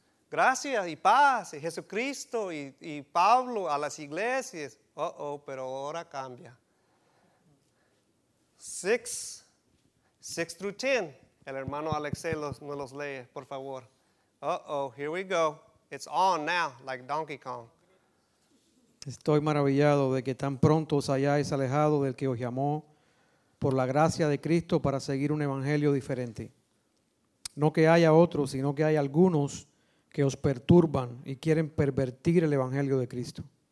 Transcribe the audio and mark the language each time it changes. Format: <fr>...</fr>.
<es>Gracias y paz. Y Jesucristo y Pablo a las iglesias. Uh-oh, pero ahora cambia.</es> <en>Six through ten.</en> <es>El hermano Alexei nos los lee, por favor.</es> <en>Uh-oh, here we go. It's on now, like Donkey Kong.</en> <es>Estoy maravillado de que tan pronto os hayáis alejado del que os llamó por la gracia de Cristo para seguir un evangelio diferente. No que haya otros, sino que hay algunos que os perturban y quieren pervertir el evangelio de Cristo.</es>